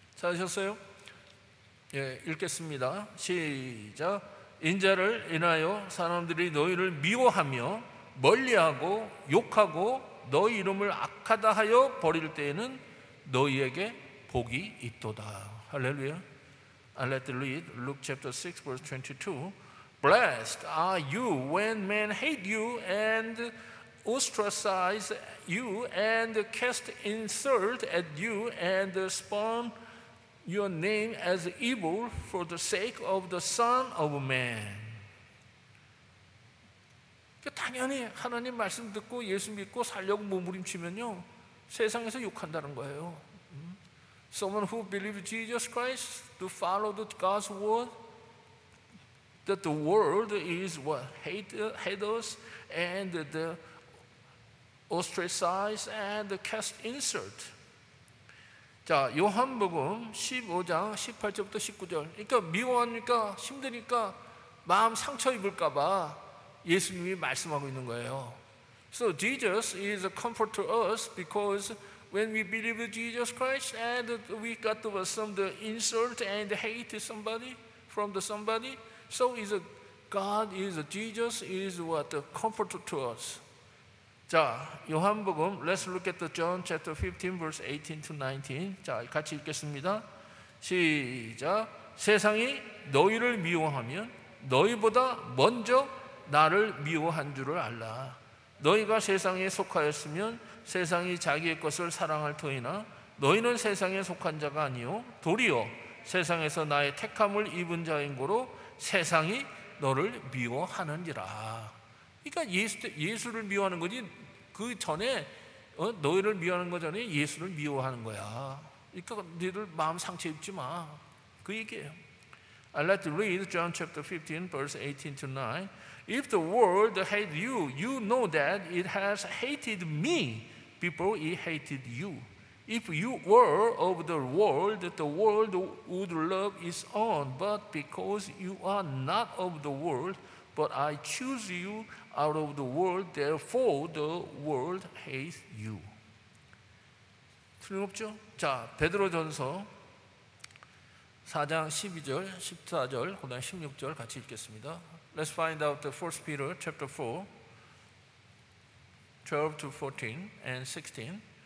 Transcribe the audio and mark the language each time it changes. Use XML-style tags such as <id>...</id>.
<ko>찾으셨어요? 예, 읽겠습니다. 시작. 인자를 인하여 사람들이 너희를 미워하며 멀리하고 욕하고 너희 이름을 악하다 하여 버릴 때에는 너희에게 복이 있도다.</ko> <en>할렐루야. And let the read Luke chapter 6 verse 22. Blessed are you when men hate you and ostracize you and cast insult at you and spurn your name as evil for the sake of the Son of Man.</en> <ko>당연히 하나님 말씀 듣고 예수 믿고 살려고 몸부림치면요 세상에서 욕한다는 거예요.</ko> <en>Someone who believes Jesus Christ to follow God's word, that the world is what hate us and the ostracize and the cast insult.</en> <ko>자, 요한복음 15장 18절부터 19절. 그러니까 미워하니까 힘드니까 마음 상처 입을까봐 예수님이 말씀하고 있는 거예요.</ko> <en>So Jesus is a comfort to us because when we believe in Jesus Christ and we got some insult and hate somebody from the somebody, so is God, is Jesus, is what comfort to us.</en> <ko>자, 요한복음,</ko> <en>Let's look at the John chapter 15, verse 18 to 19.</en> <ko>자, 같이 읽겠습니다. 시작. 세상이 너희를 미워하면 너희보다 먼저 나를 미워한 줄을 알라. 너희가 세상에 속하였으면 세상이 자기의 것을 사랑할 터이나 너희는 세상에 속한 자가 아니오. 도리어 세상에서 나의 택함을 입은 자인 고로 세상이 너를 미워하는지라. 그러니까 예수를 미워하는 거지. 그 전에 너희를 미워하는 거 전에 예수를 미워하는 거야. 그러니까 너희들 마음 상처 입지 마. 그 얘기예요.</ko> <en>I'd like to read John chapter 15, verse 18 to 9. If the world hates you, you know that it has hated me before it hated you. If you were of the world would love its own. But because you are not of the world, but I choose you out of the world, therefore the world hates you.</en> <ko>틀림없죠? 자, 베드로전서 4장 12절, 14절, 그다음 16절 같이 읽겠습니다.</ko> <en>Let's find out the 1 Peter chapter 4, 12 to 14 and 16.</en>